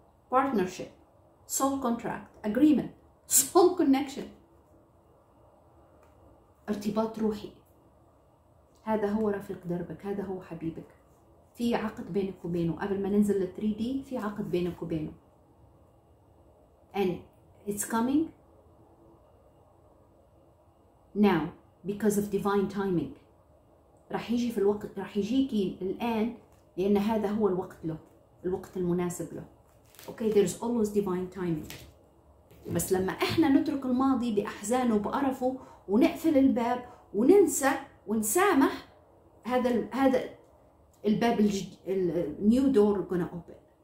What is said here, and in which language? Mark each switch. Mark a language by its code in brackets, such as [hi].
[en] Partnership, soul contract, agreement, soul connection. [ar] ارتباط روحي. هذا هو رفيق دربك، هذا هو حبيبك. في عقد بينك وبينه. قبل ما ننزل لل 3D في عقد بينك وبينه. [en] And it's coming now because of divine timing. [ar] رح يجي في الوقت، رح يجيكي الآن لأن هذا هو الوقت له، الوقت المناسب له. [en] Okay, there's always divine timing. [ar] بس لما إحنا نترك الماضي بأحزانه بقرفه ونقفل الباب وننسى ونسامح، هذا الباب [en] new door gonna open.